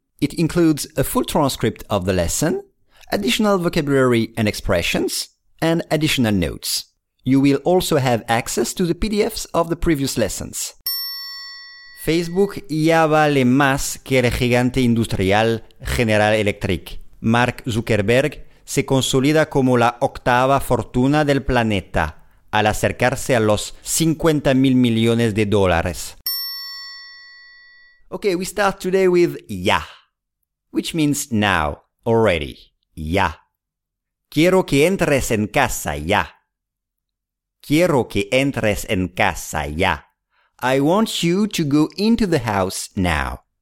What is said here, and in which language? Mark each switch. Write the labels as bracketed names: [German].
[English] It includes a full transcript of the lesson, additional vocabulary and expressions, and additional notes. You will also have access to the PDFs of the previous lessons. [Spanish] Facebook ya vale más que el gigante industrial General Electric. Mark Zuckerberg se consolida como la octava fortuna del planeta al acercarse a los 50 mil millones de dólares. [English] Okay, we start today with ya, which means now, already, ya. [Spanish] Quiero que entres en casa ya. Quiero que entres en casa ya. [English] I want you to go into the house now.